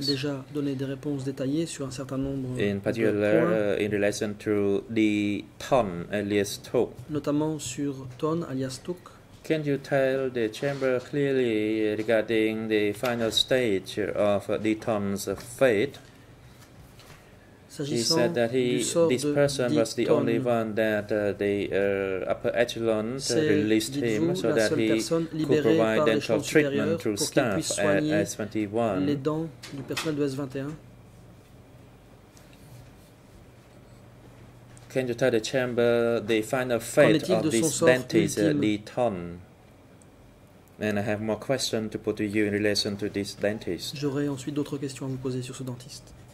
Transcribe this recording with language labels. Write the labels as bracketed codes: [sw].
[fr] Vous avez déjà donné des réponses détaillées sur un certain nombre de points. [en] In particular, in relation to the ton alias talk. [fr] Notamment sur ton alias talk. [en] Can you tell the chamber clearly regarding the final stage of the ton's fate? [fr] S'agissant [en] he said that he, this person was the only one that the upper echelon released him so that he could provide dental treatment through staff at S21. [fr] Les dents du personnel de S21. [en] Can you tell the chamber the final fate of this dentist, the ton? And I have more questions to put to you in relation to this dentist. [fr] J'aurai ensuite d'autres questions à vous poser sur ce dentiste.